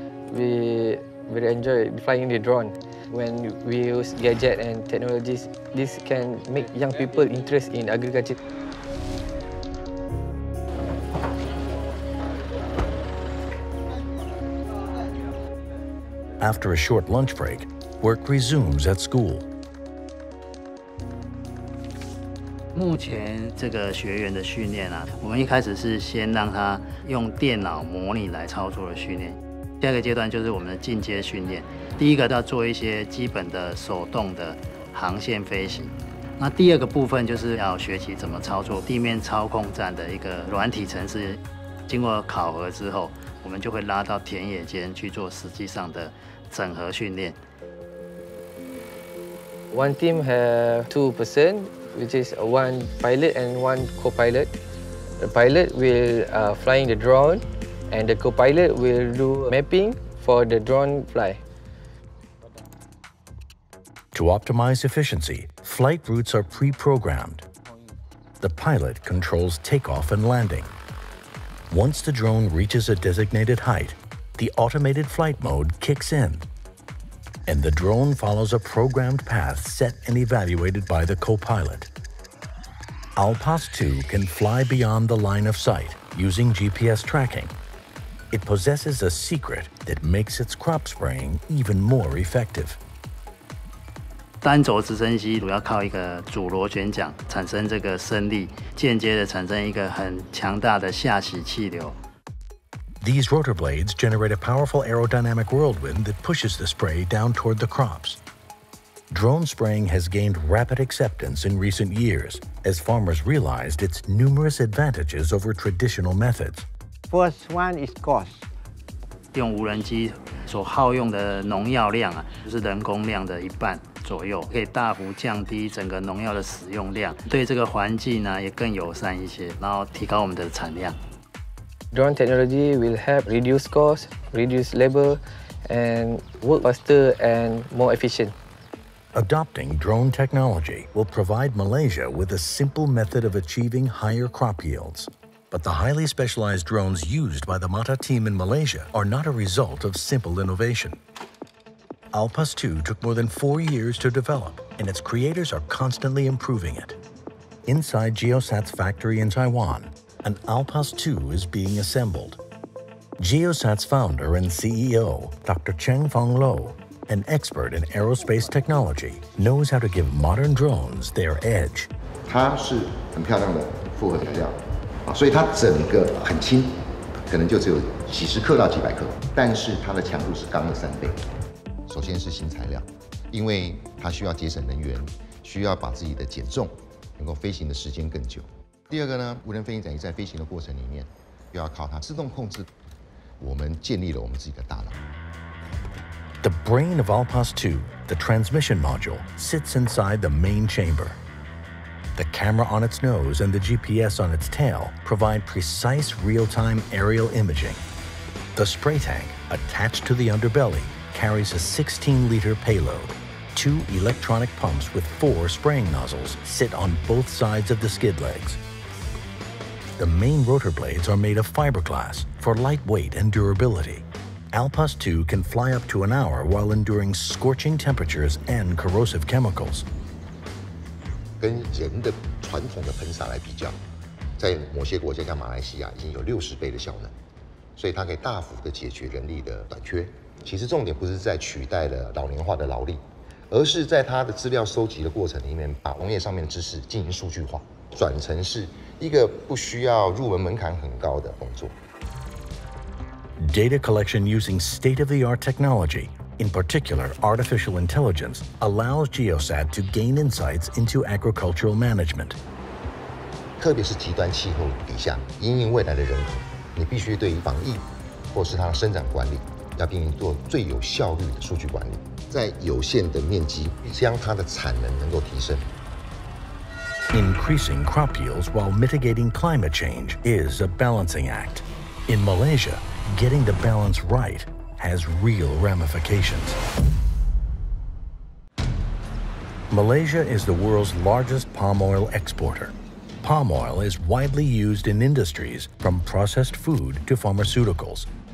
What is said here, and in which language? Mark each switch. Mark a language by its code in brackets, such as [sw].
[en] We very enjoy flying the drone. When we use gadget and technologies, this can make young people interested in agriculture. After a short lunch break, work resumes at school. [zh] 目前这个学员的训练啊，我们一开始是先让他用电脑模拟来操作的训练。第二个阶段就是我们的进阶训练。第一个要做一些基本的手动的航线飞行。那第二个部分就是要学习怎么操作地面操控站的一个软体程式。经过考核之后，我们就会拉到田野间去做实际上的整合训练。 [en] One team have 2 person, which is one pilot and one co-pilot. The pilot will flying the drone, and the co-pilot will do mapping for the drone fly. To optimize efficiency, flight routes are pre-programmed. The pilot controls takeoff and landing. Once the drone reaches a designated height, the automated flight mode kicks in, and the drone follows a programmed path set and evaluated by the co-pilot. Alpas 2 can fly beyond the line of sight using GPS tracking. It possesses a secret that makes its crop spraying even more effective. [zh] 单轴直升机主要靠一个主螺旋桨产生这个升力，间接的产生一个很强大的下起气流。 [en] These rotor blades generate a powerful aerodynamic whirlwind that pushes the spray down toward the crops. Drone spraying has gained rapid acceptance in recent years as farmers realized its numerous advantages over traditional methods. First one is cost. [zh] 用无人机所耗用的农药量啊，就是人工量的一半左右，可以大幅降低整个农药的使用量，对这个环境呢、啊、也更友善一些，然后提高我们的产量。 [en] Drone technology will help reduce cost, reduce labor, and work faster and more efficient. Adopting drone technology will provide Malaysia with a simple method of achieving higher crop yields. But the highly specialized drones used by the Mata team in Malaysia are not a result of simple innovation. Alpas 2 took more than 4 years to develop, and its creators are constantly improving it. Inside GeoSat's factory in Taiwan, an Alpas 2 is being assembled. GeoSat's founder and CEO, Dr. Cheng Fong Lo, an expert in aerospace technology, knows how to give modern drones their edge. It's a very beautiful material. [zh] 所以它整个很轻，可能就只有几十克到几百克，但是它的强度是钢的三倍。首先是新材料，因为它需要节省能源，需要把自己的减重能够飞行的时间更久。第二个呢，无人飞行载具在飞行的过程里面，又要靠它自动控制，我们建立了我们自己的大脑。 [en] The brain of Alpas 2, the transmission module, sits inside the main chamber. The camera on its nose and the GPS on its tail provide precise real-time aerial imaging. The spray tank, attached to the underbelly, carries a 16-liter payload. Two electronic pumps with four spraying nozzles sit on both sides of the skid legs. The main rotor blades are made of fiberglass for lightweight and durability. Alpas 2 can fly up to an hour while enduring scorching temperatures and corrosive chemicals. [zh] 跟人的传统的喷洒来比较，在某些国家像马来西亚已经有60倍的效能，所以它可以大幅的解决人力的短缺。其实重点不是在取代了老龄化的劳力，而是在它的资料收集的过程里面，把农业上面的知识进行数据化，转成是一个不需要入门门槛很高的工作。 [en] Data collection using state-of-the-art technology, in particular artificial intelligence, allows GEOSAT to gain insights into agricultural management. [zh] 特别是极端气候底下，因应未来的人口，你必须对于防疫或是它的生长管理，要进行做最有效率的数据管理，在有限的面积，将它的产能能够提升。 [en] Increasing crop yields while mitigating climate change is a balancing act. In Malaysia,Getting the balance right has real ramifications. Malaysia is the world's largest palm oil exporter. Palm oil is widely used in industries from processed food to pharmaceuticals.